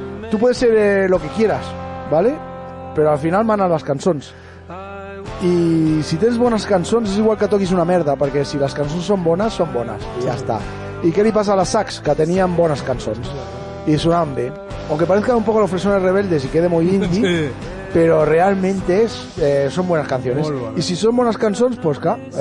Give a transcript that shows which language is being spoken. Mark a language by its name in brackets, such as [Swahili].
[Spanish] Tu puedes ser lo que quieras, ¿vale? [Catalan] Però al final manen les cançons. I si tens bones cançons és igual que toquis una merda, perquè si les cançons són bones, i ja està. I què li passa a les sax, que tenien bones cançons? [Spanish] Y sonaban bien. Aunque parezca un poco los Fresones Rebeldes y quede muy indie, sí. Pero realmente es, son buenas canciones. Muy bueno. Y si son buenas canciones, pues claro.